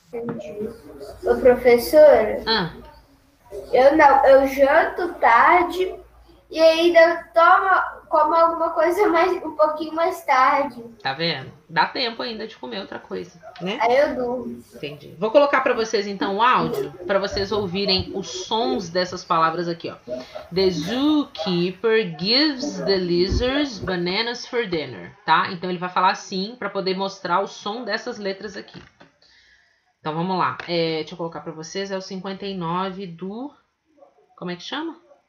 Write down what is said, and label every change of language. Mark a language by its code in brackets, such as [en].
[pt] Entendi. Ô, professora, eu janto tarde e ainda coma alguma coisa mais um pouquinho mais tarde. Tá vendo? Dá tempo ainda de comer outra coisa, né? Aí eu durmo. Entendi. Vou colocar para vocês então o áudio para vocês ouvirem os sons dessas palavras aqui, ó. [en] The zookeeper gives the lizards bananas for dinner, [pt] tá? Então ele vai falar assim para poder mostrar o som dessas letras aqui. Então vamos lá. Deixa eu colocar para vocês, é o 59 do, como é que chama?